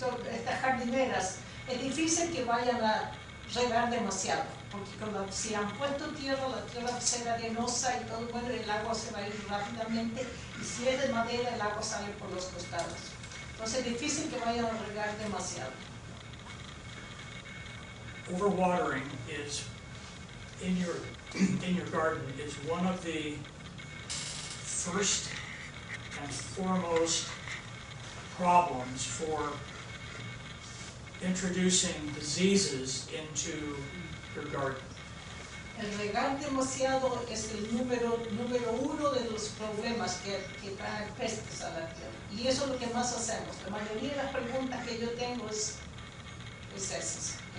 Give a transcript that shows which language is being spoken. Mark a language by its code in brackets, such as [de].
[es] Estas jardineras, es difícil que vayan a regar demasiado, porque si han puesto tierra, la tierra será arenosa y todo, bueno, el agua se va a ir rápidamente, y si es de madera, el agua sale por los costados. Entonces es difícil que vayan a regar demasiado. [en] Overwatering is in your garden is one of the first and foremost problems for introducing diseases into your garden. [es] El regar demasiado es el número uno de los problemas que traen pestes a la tierra. Y eso es lo que más hacemos. La mayoría de las preguntas que yo tengo es esas.